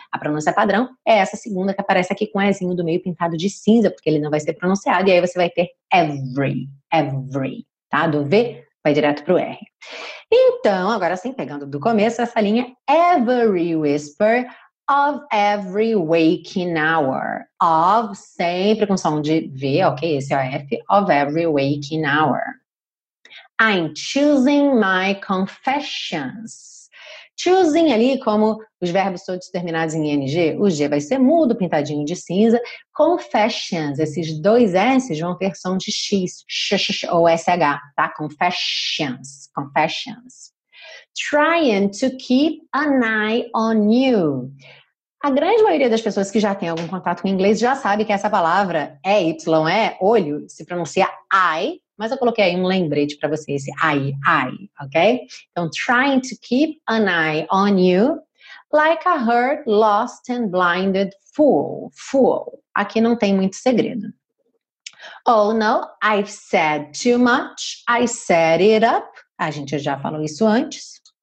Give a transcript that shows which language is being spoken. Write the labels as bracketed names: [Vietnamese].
[Portuguese] A pronúncia padrão é essa segunda que aparece aqui com um ezinho do meio pintado de cinza, porque ele não vai ser pronunciado, e aí você vai ter every, every, tá? Do V vai direto para o R. Então, agora sim, pegando do começo, essa linha [English] every whisper of every waking hour. [Portuguese] Of, sempre com som de V, ok? Esse é o F, [English] of every waking hour. I'm choosing my confessions. [Portuguese] Choosing ali, como os verbos todos terminados em ing, o G vai ser mudo, pintadinho de cinza. Confessions, esses dois S vão ter som de X, ou SH, tá? [English] Confessions, confessions. Trying to keep an eye on you. [Portuguese] A grande maioria das pessoas que já tem algum contato com inglês já sabe que essa palavra é Y, é olho, se pronuncia I. Mas eu coloquei aí um lembrete para você, esse I, ok? [English] Então, trying to keep an eye on you, like a hurt, lost and blinded fool. [Portuguese] Aqui não tem muito segredo. [English] Oh no, I've said too much, I set it up. [Portuguese] A gente já falou isso antes.